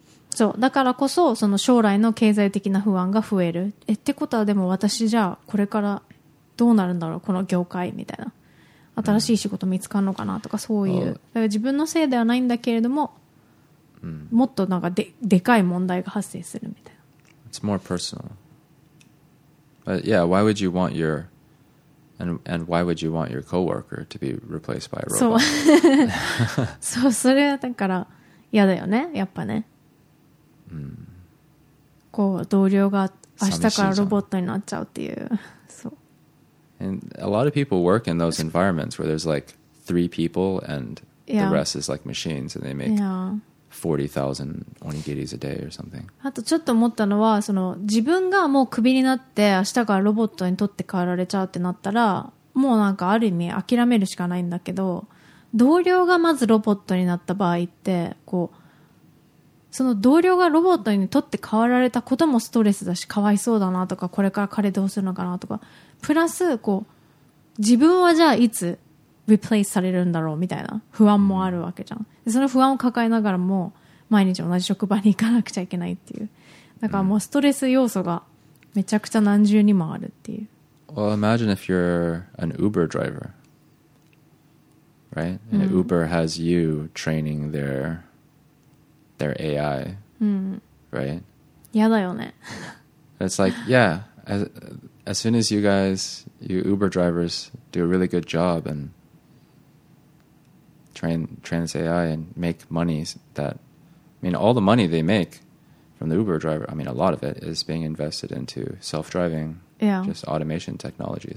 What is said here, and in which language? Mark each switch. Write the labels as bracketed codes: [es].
[ja] そう、だからこそその将来の経済的な不安が増える。え、ってことはでも私じゃあこれからどうなるんだろうこの業界みたいな。新しい仕事見つかるのかなとかそういう。だから自分のせいではないんだけれども、もっとなんか でかい問題が発生するみたいな。 [en] It's more personal. But yeah, why would you want your and why would you want your coworker to be replaced by a robot? [ja] そう、そう、それはだから嫌だよね、やっぱね。こう同僚が明日からロボットになっちゃうっていう、そう。 [en] And a lot of people work in those environments where there's like three people and the rest is like machines and they make40,000 onigiris a day or something. [ja] あとちょっと思ったのは、その自分がもうクビになって明日からロボットに取って代わられちゃうってなったら、もうなんかある意味諦めるしかないんだけど、同僚がまずロボットになった場合って、こうその同僚がロボットに取って代わられたこともストレスだし、かわいそうだなとか、これから彼どうするのかなとか、プラスこう自分はじゃあいつリプレイスされるんだろうみたいな不安もあるわけじゃん。でその不安を抱えながらも毎日同じ職場に行かなくちゃいけないっていう、だからもうストレス要素がめちゃくちゃ何重にもあるっていう。 [en] Well, imagine if you're an Uber driver, right? And Uber has you training their AI, right? [ja] やだよね。 [en] It's like, as soon as you Uber drivers do a really good job andTrain this AI and make money that, I mean, all the money they make from the Uber driver, I mean, a lot of it is being invested into self-driving, just automation technology.